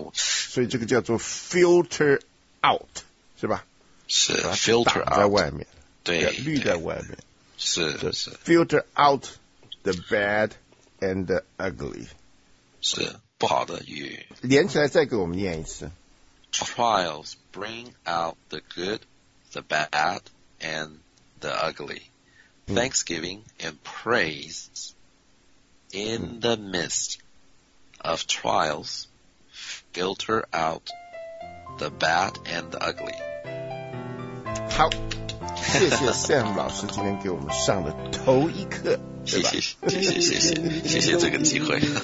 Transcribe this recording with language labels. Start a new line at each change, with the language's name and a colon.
Chinese: 所以这个叫做 filter out， 是吧？是 filter out 在外面，对，滤在外面。是是
English: filter out the bad and the ugly，
Chinese: 是不好的与。连起来再给我们念一次。
English: Trials bring out the good, the bad, and the ugly. Thanksgiving and praise in the midst. Of trials filter out the bad and the ugly.
Chinese: 好，谢谢 Sam 老师今天给我们上的头一课，谢谢谢谢谢谢谢谢这个机会。